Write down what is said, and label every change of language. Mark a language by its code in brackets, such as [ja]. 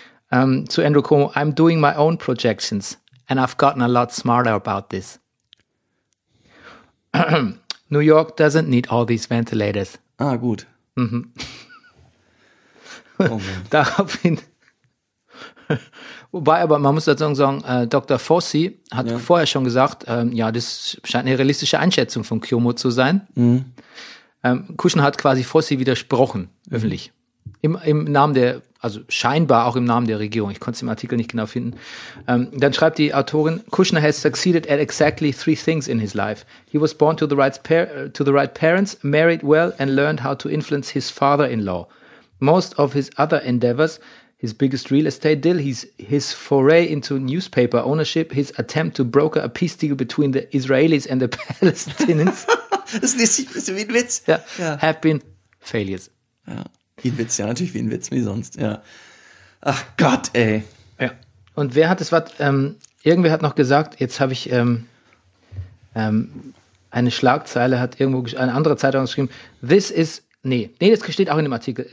[de] zu [en] Andrew Cuomo, I'm doing my own projections and I've gotten a lot smarter about this. New York doesn't need all these ventilators. [de] Ah, gut. Mhm. Oh, daraufhin, wobei aber man muss dazu sagen, Dr. Fossi hat ja vorher schon gesagt, ja, das scheint eine realistische Einschätzung von Cuomo zu sein. Mhm. Kushner hat quasi Fossi widersprochen, öffentlich. Im Namen der, also scheinbar auch im Namen der Regierung, ich konnte es im Artikel nicht genau finden. Dann schreibt die Autorin, [en] Kushner has succeeded at exactly three things in his life. He was born to the right parents, married well and learned how to influence his father-in-law. Most of his other endeavors, his biggest real estate deal, his foray into newspaper ownership, his attempt to broker a peace deal between the Israelis and the Palestinians, [de] das ist wie ein Witz. Ja. [en] Have been failures. [de] Ja. Wie ein Witz, ja, natürlich wie ein Witz, wie sonst. Ja. Ach Gott, ey. Ja. Und wer hat es, was, irgendwer hat noch gesagt, jetzt habe ich eine Schlagzeile, hat irgendwo eine andere Zeitung geschrieben, [en] this is, [de] nee, das steht auch in dem Artikel.